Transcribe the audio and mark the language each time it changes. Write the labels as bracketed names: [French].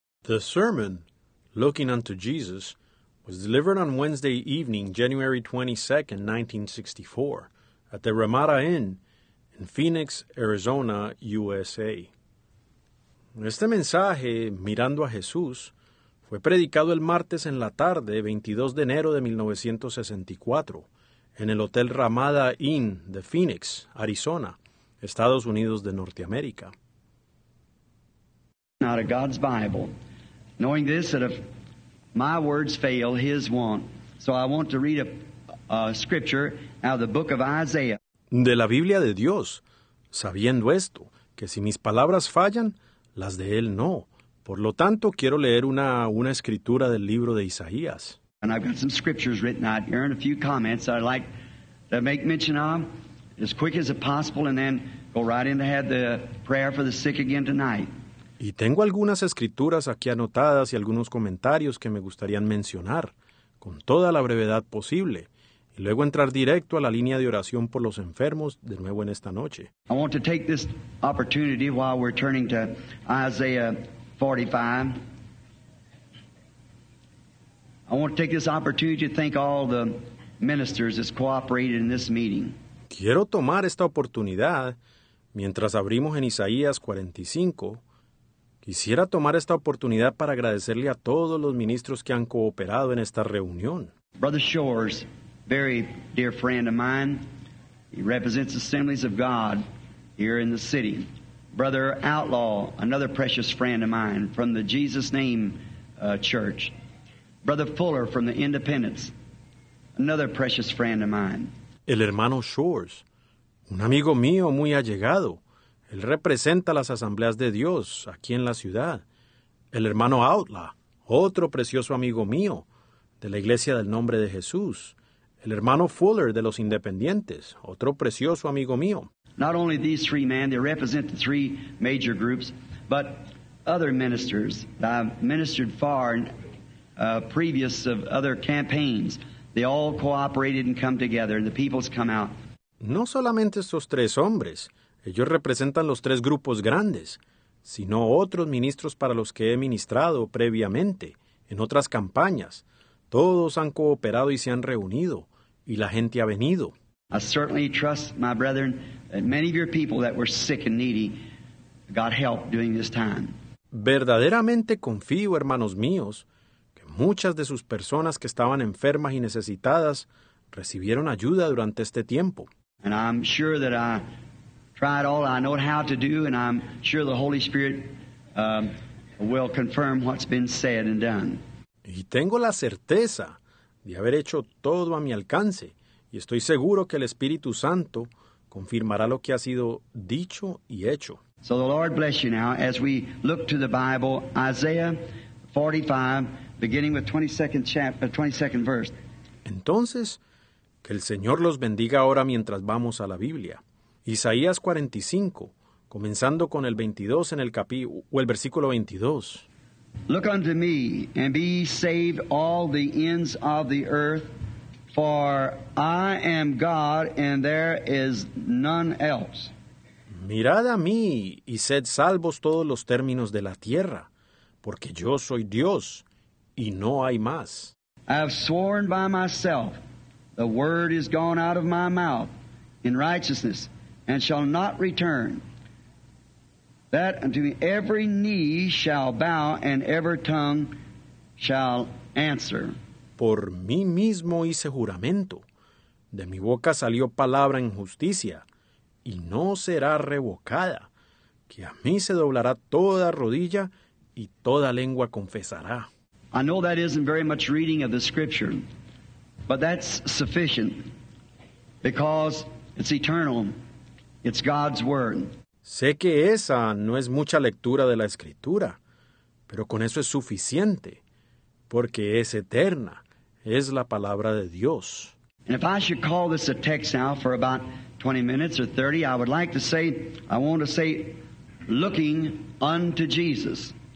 [English] The sermon, Looking Unto Jesus, was delivered on Wednesday evening, January 22, 1964, at the Ramada Inn in Phoenix, Arizona, USA. [Spanish] Este mensaje, Mirando a Jesús, fue predicado el martes en la tarde, 22 de enero de 1964, en el Hotel Ramada Inn de Phoenix, Arizona, Estados Unidos de Norteamérica. [English] Not a God's Bible. Knowing this, that if my words fail, his won't. So I want to read a scripture out of the book of Isaiah. [Spanish] De la Biblia de Dios, sabiendo esto, que si mis palabras fallan, las de él no. Por lo tanto, quiero leer una escritura del libro de Isaías. [English] And I've got some scriptures written out here and a few comments I'd like to make mention of as quick as possible and then go right in to have the prayer for the sick again tonight. [Spanish] Y tengo algunas escrituras aquí anotadas y algunos comentarios que me gustarían mencionar, con toda la brevedad posible, y luego entrar directo a la línea de oración por los enfermos de nuevo en esta noche. [English] I want to take this opportunity while we're turning to Isaiah 45. I want to take this opportunity to thank all the ministers that's cooperated in this meeting. [Spanish] Quiero tomar esta oportunidad, mientras abrimos en Isaías 45, quisiera tomar esta oportunidad para agradecerle a todos los ministros que han cooperado en esta reunión. [English] Brother Shores, very dear friend of mine, he represents the Assemblies of God here in the city. Brother Outlaw, another precious friend of mine from the Jesus Name Church. Brother Fuller from the Independence, another precious friend of mine. [Spanish] El hermano Shores, un amigo mío muy allegado. Él representa las Asambleas de Dios aquí en la ciudad. El hermano Outlaw, otro precioso amigo mío de la Iglesia del Nombre de Jesús. El hermano Fuller de los Independientes, otro precioso amigo mío. [English] Not only these three men, they represent the three major groups, but other ministers that I've ministered for previous of other campaigns. They all cooperated and come together, and the people's come out. [Spanish] No solamente estos tres hombres. Ellos representan los tres grupos grandes, sino otros ministros para los que he ministrado previamente, en otras campañas. Todos han cooperado y se han reunido, y la gente ha venido. [English] I certainly trust, my brethren, that many of your people that were sick and needy got help during this time. [Spanish] Verdaderamente confío, hermanos míos, que muchas de sus personas que estaban enfermas y necesitadas recibieron ayuda durante este tiempo. [English] And I'm sure that I tried all I know how to do, and I'm sure the Holy Spirit will confirm what's been said and done. [Spanish] Y tengo la certeza de haber hecho todo a mi alcance, y estoy seguro que el Espíritu Santo confirmará lo que ha sido dicho y hecho. [English] So the Lord bless you now as we look to the Bible, Isaiah 45, beginning with 22nd verse. [Spanish] Entonces, que el Señor los bendiga ahora mientras vamos a la Biblia. Isaías 45, comenzando con el 22 en el versículo 22. [English] Look unto me, and be saved all the ends of the earth, for I am God, and there is none else. [Spanish] Mirad a mí, y sed salvos todos los términos de la tierra, porque yo soy Dios, y no hay más. [English] I have sworn by myself, the word is gone out of my mouth, in righteousness, and shall not return, that unto me every knee shall bow, and every tongue shall answer. [Spanish] Por mí mismo hice juramento. De mi boca salió palabra en justicia, y no será revocada, que a mí se doblará toda rodilla, y toda lengua confesará. [English] I know that isn't very much reading of the Scripture, but that's sufficient, because it's eternal. It's God's word. [Spanish] Sé que esa no es mucha lectura de la Escritura, pero con eso es suficiente, porque es eterna, es la palabra de Dios. [English] And if I should call this a text now for about 20 minutes or 30, I would like to say, I want to say, looking unto Jesus.